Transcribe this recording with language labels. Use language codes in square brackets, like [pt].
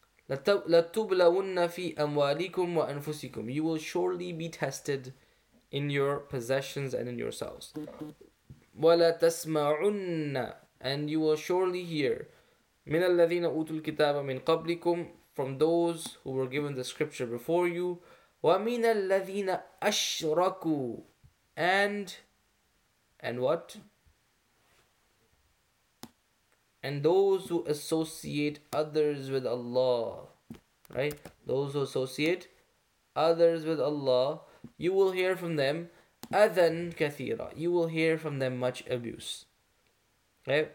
[ar] لَتُبْلَوُنَّ فِي أَمْوَالِكُمْ وَأَنفُسِكُمْ [en] You will surely be tested in your possessions and in yourselves. [ar] وَلَتَسْمَعُنَّ [en] And you will surely hear [ar] مِنَ الَّذِينَ أُوتُوا الْكِتَابَ مِنْ قَبْلِكُمْ [en] From those who were given the scripture before you. [ar] وَمِنَ الَّذِينَ أَشْرَكُوا [en] And what? And those who associate others with Allah, right? Those who associate others with Allah, you will hear from them, [ar] أَذًا كَثِيرًا [en] You will hear from them much abuse. Okay?